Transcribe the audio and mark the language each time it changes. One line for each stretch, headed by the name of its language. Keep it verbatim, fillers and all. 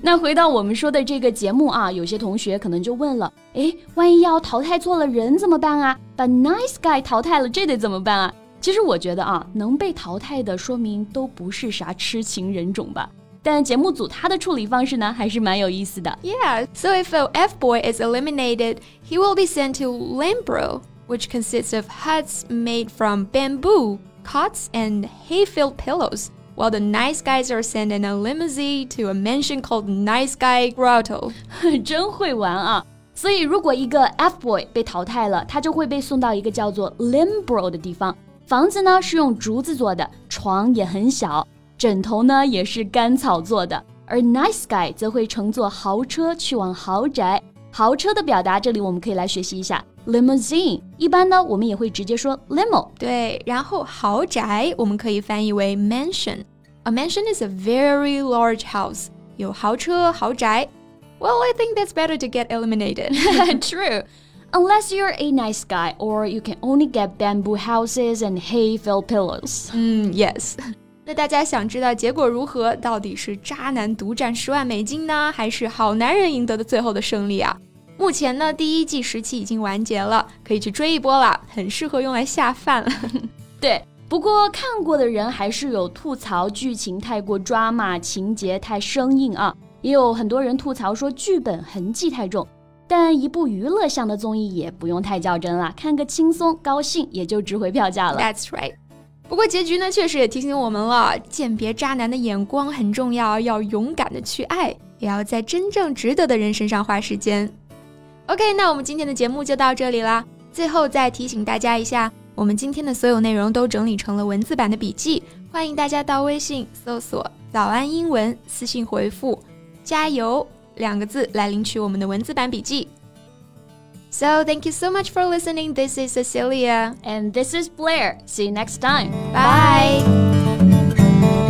Chinese: 那回到我们说的这个节目啊，有些同学可能就问了，诶，万一要淘汰错了人怎么办啊？把 nice guy 淘汰了，这得怎么办啊？其实我觉得啊，能被淘汰的说明都不是啥痴情人种吧。但节目组他的处理方式呢，还是蛮有意思的。
English: Yeah, so if an F-boy is eliminated, he will be sent to Lambro, which consists of huts made from bamboo. Cots and hay-filled pillows, while the nice guys are sent in a limousine to a mansion called Nice Guy Grotto.
Chinese: 真会玩啊！所以如果一个 F-boy 被淘汰了，他就会被送到一个叫做 Limbro 的地方。房子呢是用竹子做的，床也很小，枕头呢也是干草做的。而 Nice Guy 则会乘坐豪车去往豪宅。豪车的表达，这里我们可以来学习一下。Limousine 一般呢我们也会直接说 limo 对然后豪宅我们可以翻译为
English: mansion A mansion is a very large house
Chinese: 有豪车豪宅
English: Well, I think that's better to get eliminated True Unless you're a nice guy Or you can only get bamboo houses and hay-filled pillows
Chinese: 嗯
English: Yes
Chinese: 那大家想知道结果如何到底是渣男独占十万美金呢还是好男人赢得的最后的胜利啊目前呢，第一季十期已经完结了，可以去追一波了，很适合用来下饭了。对，不过看过的人还是有吐槽剧情太过drama，情节太生硬啊，也有很多人吐槽说剧本痕迹太重。但一部娱乐向的综艺也不用太较真了，看个轻松高兴也就值回票价了。
English: That's right。
Chinese: 不过结局呢，确实也提醒我们了，鉴别渣男的眼光很重要，要勇敢的去爱，也要在真正值得的人身上花时间。
English: OK,
Chinese: 那我们今天的节目就到这里啦。最后再提醒大家一下，我们今天的所有内容都整理成了文字版的笔记，欢迎大家到微信搜索早安英文，私信回复加油两个字来领取我们的文字版笔记。
English: So, thank you so much for listening. This is Cecilia. And this is Blair. See you next time. Bye. Bye.